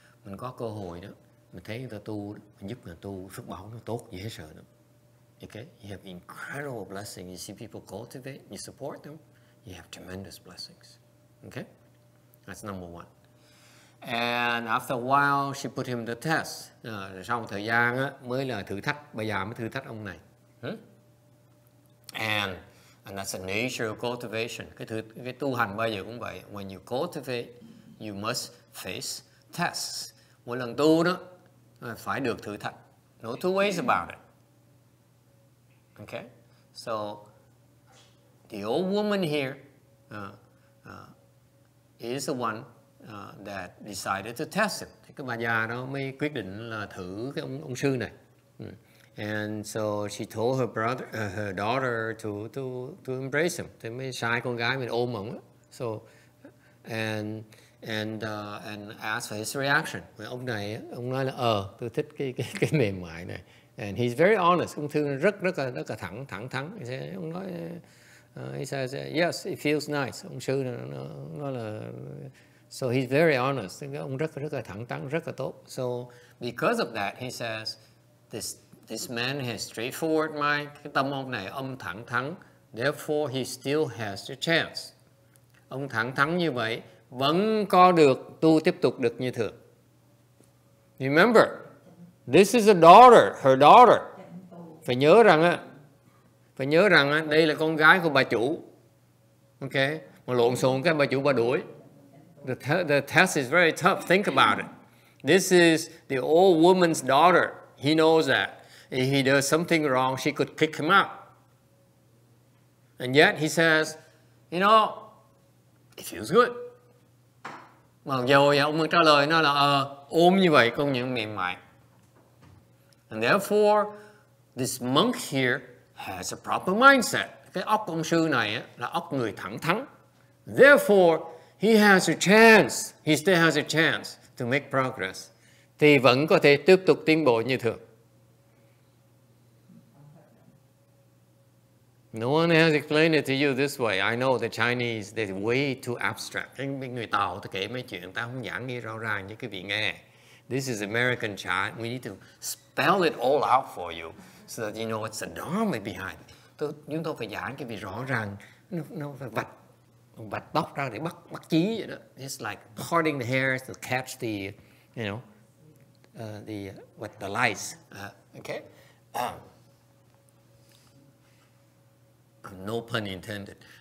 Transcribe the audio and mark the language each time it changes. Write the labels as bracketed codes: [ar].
[vi] Mình có cơ hội đó, mình thấy người ta tu, mình giúp người ta tu, phước báo nó tốt dễ sợ lắm. [en] Okay, you have incredible blessing. You see people cultivate, you support them, you have tremendous blessings. Okay, that's number one. And after a while, she put him to test. [vi] Sau một thời gian á, mới là thử thách, bây giờ mới thử thách ông này. [en] And that's the nature of cultivation. [vi] Cái tu hành bao giờ cũng vậy. [en] When you cultivate, you must face tests. [vi] Mỗi lần tu đó, phải được thử thách. [en] No two ways about it. Okay? So, the old woman here, is the one that decided to test him. [vi] Thì cái bà già đó mới quyết định là thử cái ông sư này. [en] And so she told her brother, her daughter to embrace him. [vi] Thì mới sai con gái mình ôm ông. [en] So and asked for his reaction. [vi] Và ông này ông nói là tôi thích cái mềm mại này. [en] And he's very honest. [vi] Ông thương rất là thẳng thắn. Ông nói [en] he says yes, it feels nice. [vi] Ông sư nói là [en] so he's very honest. [vi] Ông rất là thẳng thắn, rất là tốt. [en] So because of that, he says this man has straightforward mind. [vi] Cái tâm ông này ông thẳng thắn. [en] Therefore, he still has the chance. [vi] Ông thẳng thắn như vậy vẫn có được tu tiếp tục được như thường. [en] Remember, this is a daughter, her daughter. [vi] Phải nhớ rằng đây là con gái của bà chủ. Okay, mà lộn xộn cái bà chủ bà đuổi. [en] The test is very tough. Think about it. This is the old woman's daughter. He knows that. If he does something wrong, she could kick him out. And yet he says, you know, it feels good. [vi] Mặc dù ông trả lời nó là ôm như vậy công nhận mềm mại. [en] And therefore, this monk here has a proper mindset. [vi] Cái óc ông sư này á, là óc người thẳng thắn. [en] Therefore, he has a chance. He still has a chance to make progress. [vi] Thì vẫn có thể tiếp tục tiến bộ như thường. [en] No one has explained it to you this way. I know the Chinese, they're way too abstract. [vi] Người Tàu ta kể mấy chuyện, ta không giảng nghe rõ ràng như quý vị nghe. [en] This is American China. We need to spell it all out for you so that you know what's the dharma behind. [vi] Chúng tôi phải giảng cái gì rõ ràng. Nó phải vạch tóc ra để bắt chí vậy đó. [en] It's like parting the hairs to catch the, you know, the lice. Okay? No pun intended.